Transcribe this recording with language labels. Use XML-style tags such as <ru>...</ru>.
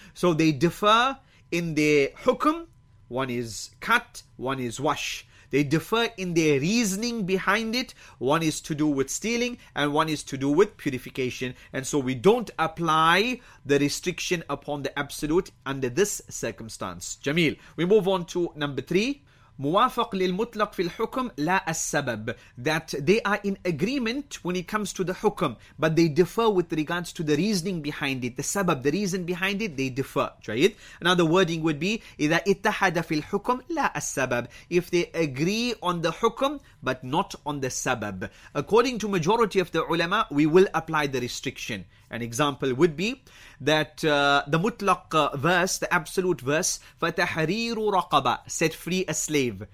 <en>So they differ in their hukam. One is cut, one is wash. They differ in their reasoning behind it. One is to do with stealing and one is to do with purification. And so we don't apply the restriction upon the absolute under this circumstance. Jameel. We move on to number 3.</en> <ar>موافق للمطلق في الحكم لا السبب.</ar> <en>That they are in agreement when it comes to the hukam, but they differ with regards to the reasoning behind it. The sabab, the reason behind it, they differ.</en> <ar>جيد.</ar> <en>Another wording would be</en> <ar>إذا اتحد في الحكم لا السبب.</ar> <en>If they agree on the hukam, but not on the sabab. According to majority of the ulama, we will apply the restriction. An example would be that the mutlaq verse, the absolute verse, فَتَحْرِيرُ رَقَبَ, set free a slave.</en>